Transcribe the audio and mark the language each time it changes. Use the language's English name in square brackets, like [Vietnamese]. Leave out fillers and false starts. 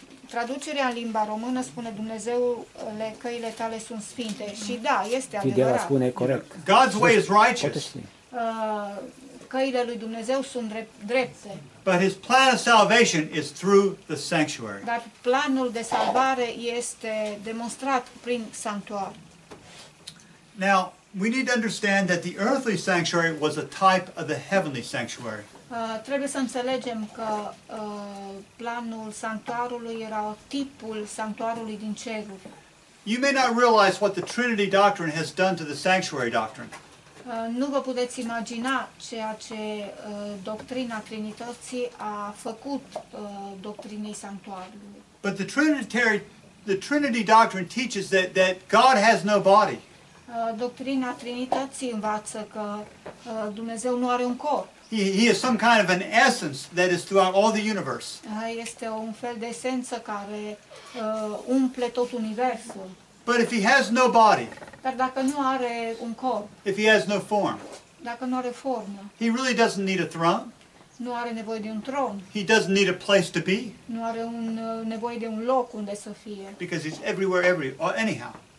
[Romanian] Traducerea în limba română spune Dumnezeule, căile tale sunt sfinte. Și da, este adevărat. Ideea spune corect. [English] God's way is righteous. [Romanian] Căile lui Dumnezeu sunt drepte. [English] But his plan of salvation is through the sanctuary. [Romanian] Dar planul de salvare este demonstrat prin sanctuar. [English] Now, we need to understand that the earthly sanctuary was a type of the heavenly sanctuary. [Romanian] Trebuie să înțelegem că planul sanctuarului era tipul sanctuarului din ceruri. [English] You may not realize what the Trinity doctrine has done to the sanctuary doctrine. [Romanian] Nu vă puteți imagina ceea ce doctrina Trinității a făcut doctrinei sanctuarului. [English] But the Trinity doctrine teaches that God has no body. [Romanian] doctrina Trinității învață că Dumnezeu nu are un corp. [English] He is some kind of an essence that is throughout all the universe. [Romanian] Este un fel de esență care umple tot universul. [English] But if he has no body. [Romanian] Dar dacă nu are un corp. [English] If he has no form. [Romanian] Dacă nu are formă. [English] He really doesn't need a throne. [Romanian] Nu are nevoie de un tron. [English] He doesn't need a place to be. [Romanian] Nu are un nevoie de un loc unde să fie. [English] Because he's everywhere, every or anyhow.